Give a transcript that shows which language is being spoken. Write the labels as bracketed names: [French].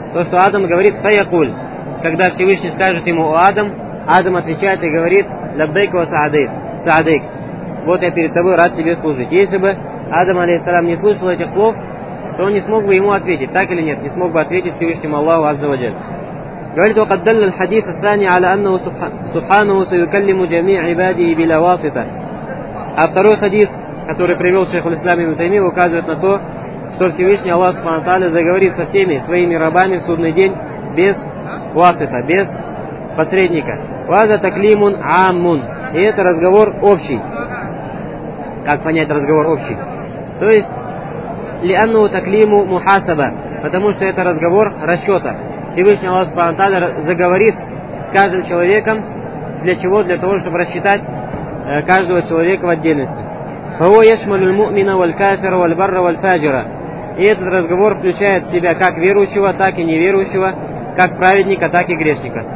[Russian] То, что Адам говорит «Фаякуль». Когда Всевышний скажет ему «Адам», Адам отвечает и говорит «Лаббейк ва саадейк». «Саадейк». «Вот я перед тобой рад тебе служить». Если бы Адам, алейхиссалям, не слышал этих слов, то он не смог бы ему ответить, так или нет, не смог бы ответить Всевышнему Аллаху Азза ва Джаль. Говорит, [Arabic] وقد دل الحديث الثاني على أنه سبحانه سيكلم جميع عباده بلا واسطة. [Russian] А второй хадис, который привел шейх ислам ибн Таймия, указывает на то, что Всевышний Аллах субхана ва тааля заговорит со всеми своими рабами в судный день без واسطة, без посредника. [Arabic] وهذا تكليم عام. [Russian] И это разговор общий. Как понять разговор общий? То есть [Arabic] لِأَنُّهُ تَكْلِيمُ مُحَاسَبًا. [Russian] Потому что это разговор расчета. Всевышний Аллах субхана ва тааля заговорит с каждым человеком. Для чего? Для того, чтобы рассчитать каждого человека в отдельности. [Arabic] فَهُوَ يَشْمَلُ الْمُؤْمِنَ وَالْكَافِرَ وَالْبَرَّ وَالْفَاجِرَ. [Russian] И этот разговор включает в себя как верующего, так и неверующего, как праведника, так и грешника.